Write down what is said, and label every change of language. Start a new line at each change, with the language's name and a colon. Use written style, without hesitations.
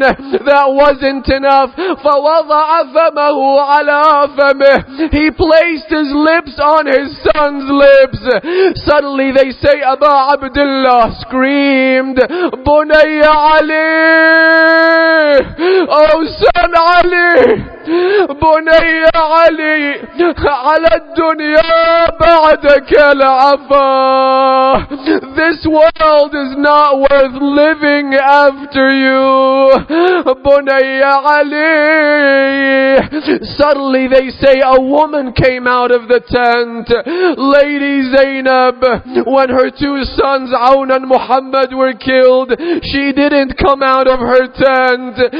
English: That wasn't enough.
Arabic: فَوَضَعَ فَمَهُ عَلَى فَمِهِ.
English: He placed his lips on his son's lips. Suddenly they say Abu Abdullah screamed,
Arabic: بُنَيَّ عَلِي.
English: Oh son Ali,
Arabic: بُنَيَّ عَلِي عَلَى الدُّنْيَا بَعْدَكَ الْعَفَا.
English: This world is not worth living after you.
Arabic: بُنَيَّ عَلِي.
English: Suddenly they say a woman came out of the tent. Lady Zainab, when her two sons Aun and Muhammad were killed, she didn't come out of her tent.